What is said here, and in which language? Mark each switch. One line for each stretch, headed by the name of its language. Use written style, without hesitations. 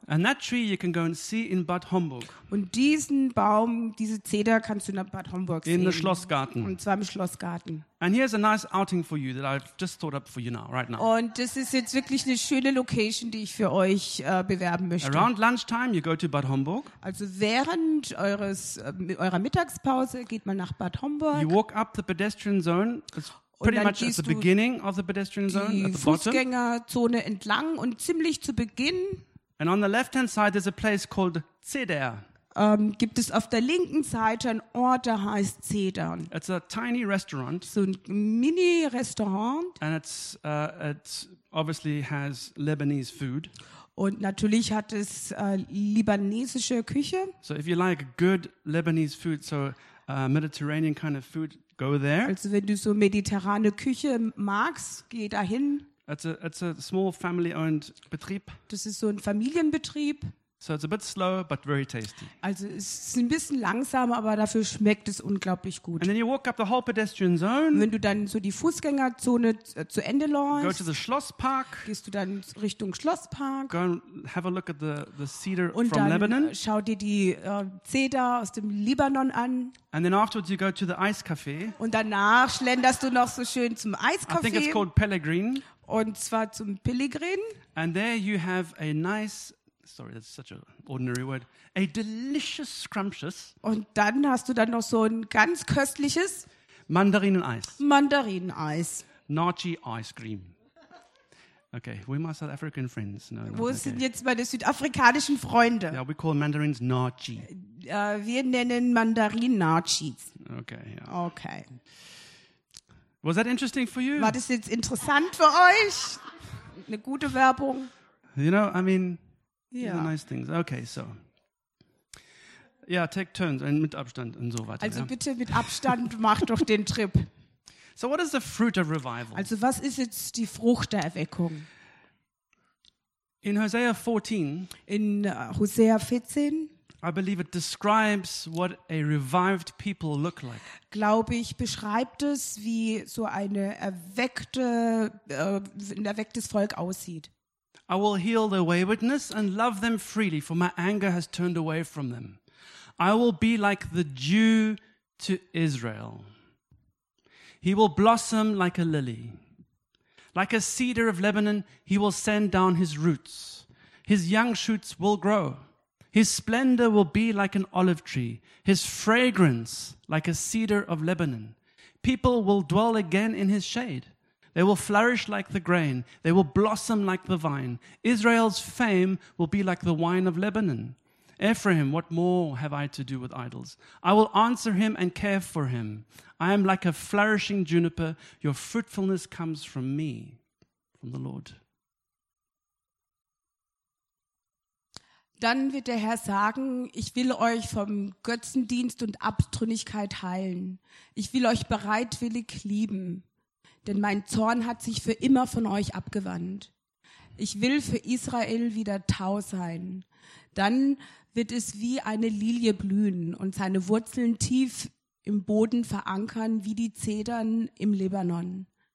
English: And that tree you can go and see in Bad Homburg.
German: Und diesen Baum, diese Zeder kannst du in Bad Homburg in sehen.
English: In the Schlossgarten.
German: Und zwar im Schlossgarten.
English: And here's a nice outing for you that I've just thought up for you now, right now.
German: Und das ist jetzt wirklich eine schöne Location, die ich für euch bewerben möchte.
English: Around lunchtime you go to Bad Homburg.
German: Also während eurer Mittagspause geht man nach Bad Homburg.
English: You walk up the pedestrian zone. Pretty much at the beginning of the pedestrian zone, at the bottom.
German: Die Fußgängerzone entlang und ziemlich zu Beginn.
English: And on the left-hand side there's a place called Zeder.
German: Gibt es auf der linken Seite einen Ort, der heißt Zedern.
English: It's a tiny restaurant.
German: So ein Mini-Restaurant.
English: And it obviously has Lebanese food.
German: Und natürlich hat es libanesische Küche.
English: So if you like good Lebanese food, so Mediterranean kind of food, go there.
German: Also wenn du so mediterrane Küche magst, geh dahin.
English: It's a small family-owned Betrieb.
German: Das ist so ein Familienbetrieb.
English: So it's a bit slow, but very tasty.
German: Also es ist ein bisschen langsam, aber dafür schmeckt es unglaublich gut.
English: And then you walk up the whole pedestrian zone.
German: Wenn du dann so die Fußgängerzone zu Ende läufst,
English: go to the Schlosspark.
German: Gehst du dann Richtung Schlosspark.
English: Go and have a look at the cedar
German: und
English: from
German: dann
English: Lebanon.
German: Schau dir die Zeder aus dem Libanon an.
English: And then afterwards you go to the ice cafe.
German: Und danach schlenderst du noch so schön zum Eiscafé.
English: I think it's called Pellegrin.
German: Und zwar zum Pellegrin.
English: And there you have a nice Sorry, that's such an ordinary word. A delicious scrumptious.
German: Und dann hast du dann noch so ein ganz köstliches Mandarineneis. Mandarineneis.
English: Nachi ice cream. Okay, where are my South African friends? No,
German: wo sind
English: okay.
German: jetzt meine südafrikanischen Freunde?
English: Yeah, we call mandarins Nachi.
German: Wir nennen Mandarinen Nachis.
English: Okay. Yeah. Okay. Was that interesting for you?
German: War das jetzt interessant für euch? Eine gute Werbung.
English: You know, I mean, yeah. These are nice things. Okay, so. Yeah, take turns and
German: mit Abstand und so weiter. Also ja. Bitte mit Abstand macht doch den Trip.
English: So what is the fruit of revival?
German: Also was ist jetzt die Frucht der Erweckung?
English: In Hosea 14.
German: In Hosea 14.
English: I believe it describes what a revived people look like.
German: Glaube ich, beschreibt es, wie so eine ein erwecktes Volk aussieht.
English: I will heal their waywardness and love them freely, for my anger has turned away from them. I will be like the dew to Israel. He will blossom like a lily. Like a cedar of Lebanon, he will send down his roots. His young shoots will grow. His splendor will be like an olive tree, his fragrance like a cedar of Lebanon. People will dwell again in his shade. They will flourish like the grain. They will blossom like the vine. Israel's fame will be like the wine of Lebanon. Ephraim, what more have I to do with idols? I will answer him and care for him. I am like a flourishing juniper. Your fruitfulness comes from me, from the Lord.
German: Dann wird der Herr sagen, ich will euch vom Götzendienst und Abtrünnigkeit heilen. Ich will euch bereitwillig lieben, denn mein Zorn hat sich für immer von euch abgewandt. Ich will für Israel wieder Tau sein. Dann wird es wie eine Lilie blühen und seine Wurzeln tief im Boden verankern, wie die Zedern im Libanon.